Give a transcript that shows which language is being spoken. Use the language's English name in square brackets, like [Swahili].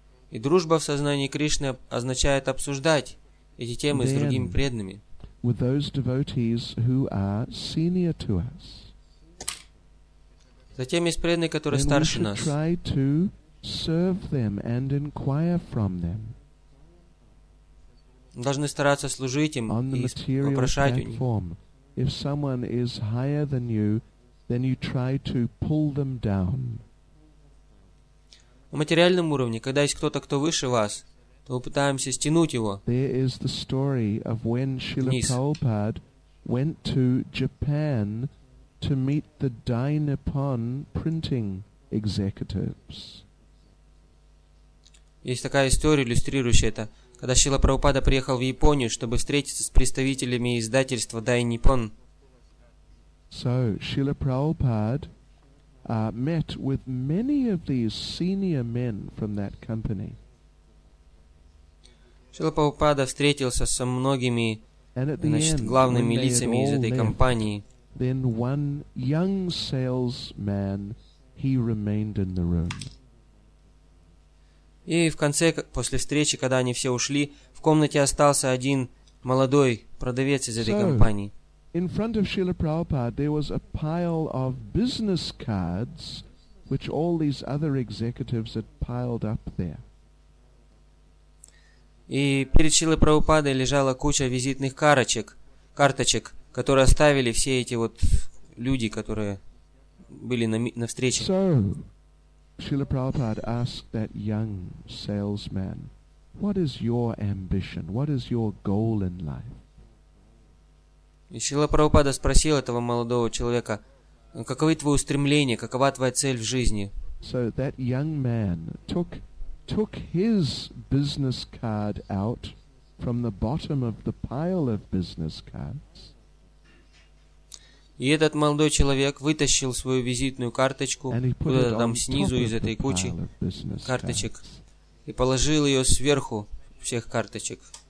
[Russian] И дружба в сознании Кришны означает обсуждать эти темы с другими преданными. [English] With those devotees who are senior to us. [Russian] Затем есть преданные, которые старше нас. [English] Try to serve them and inquire from them. [Russian] Должны стараться служить им и вопрошать у них. [English] If someone is higher than you, then you try to pull them down. [Russian] На материальном уровне, когда есть кто-то, кто выше вас, то мы пытаемся стянуть его. [English] There is the story of when Srila Prabhupada went to Japan to meet the Dai Nippon printing executives. [Russian] Есть такая история, иллюстрирующая это, когда Шрила Прабхупада приехал в Японию, чтобы встретиться с представителями издательства Дай Ниппон. [English] So Srila Prabhupada met with many of these senior men from that company. [Russian] Шрила Прабхупада встретился со многими, значит, главными лицами из этой компании. [English] Then one young salesman, he remained in the room. [Russian] И в конце, после встречи, когда они все ушли, в комнате остался один молодой продавец из этой компании. [English] In front of Srila Prabhupada there was a pile of business cards, which all these other executives had piled up there. [Russian] И перед Шрилой Прабхупадой лежала куча визитных карточек, которые оставили все эти вот люди, которые были на встрече. [English] So, Srila Prabhupada asked that young salesman, what is your ambition? What is your goal in life? [Russian] И Шрила Прабхупада спросил этого молодого человека, Каковы твои устремления? Какова твоя цель в жизни? [English] So that young man took his business card out from the bottom of the pile of business cards. [Russian] И этот молодой человек вытащил свою визитную карточку куда-то там снизу из этой кучи карточек и положил ее сверху всех карточек.